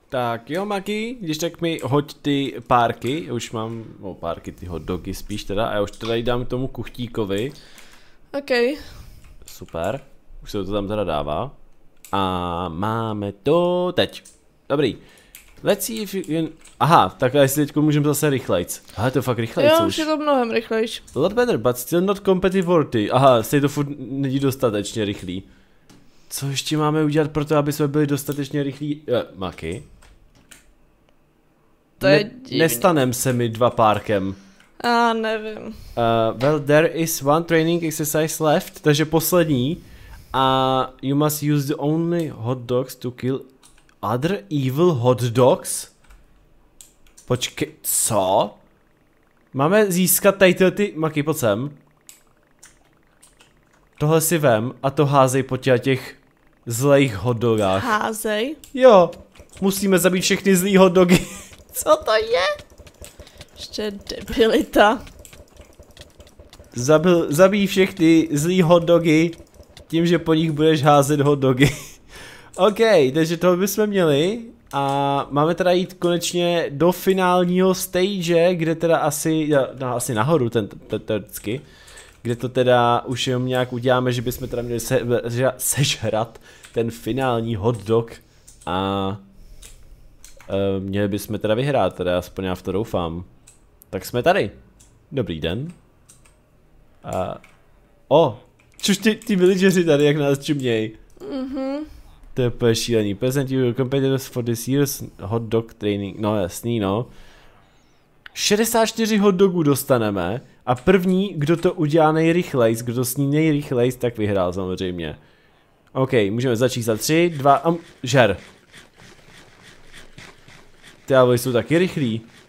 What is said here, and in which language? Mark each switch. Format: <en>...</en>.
<cs>Tak jo, Maki, když tak mi hoď ty párky, už mám, no párky, ty hot dogy spíš teda, a já už teda jí dám tomu kuchtíkovi. Okej. Okay. Super. Už se to tam teda dává. A máme to teď. Dobrý.</cs> <en>Let's see if you can...</en> <cs>Aha, tak jestli teď můžeme zase rychlejc. Aha, to je fakt rychlejc jo, už. Jo, už je to mnohem rychlejš.</cs> <en>A lot better, but still not competitive worthy.</en> <cs>Aha, jestli to furt není dostatečně rychlý. Co ještě máme udělat pro to, aby jsme byli dostatečně rychlí? Maky? To je divný. Nestanem se mi dva párkem. A nevím.</cs> <en>Well, there is one training exercise left,</en> <cs>takže poslední.</cs> <en>A you must use the only hot dogs to kill other evil hot dogs?</en> <cs>Počkej, co? Máme získat tady tyhle ty... Maky, pojď sem. Tohle si vem a to házej po těch zlejch hot dogách. Házej? Jo, musíme zabít všechny zlý hot dogy. Co to je? Ještě debilita. Zabij všechny zlý hot dogy. Tím, že po nich budeš házet hot dogy. OK, takže toho bychom měli. A máme teda jít konečně do finálního stage, kde teda asi, no, asi nahoru ten teoreticky. Kde to teda už jenom nějak uděláme, že bychom teda měli sežrat ten finální hot dog. A měli bychom teda vyhrát, teda aspoň já v to doufám. Tak jsme tady. Dobrý den. Což ty villageři tady, jak nás čumějí. Mhm. To je úplně šílený.</cs> <en>Present you your competitors for this year's hot dog training.</en> <cs>No jasný, no. 64 hot dogů dostaneme. A první, kdo to udělá nejrychlejc, kdo to sní nejrychlejc, tak vyhrál samozřejmě. OK, můžeme začít za 3, 2 a žer. Ty ale jsou taky rychlí.</cs>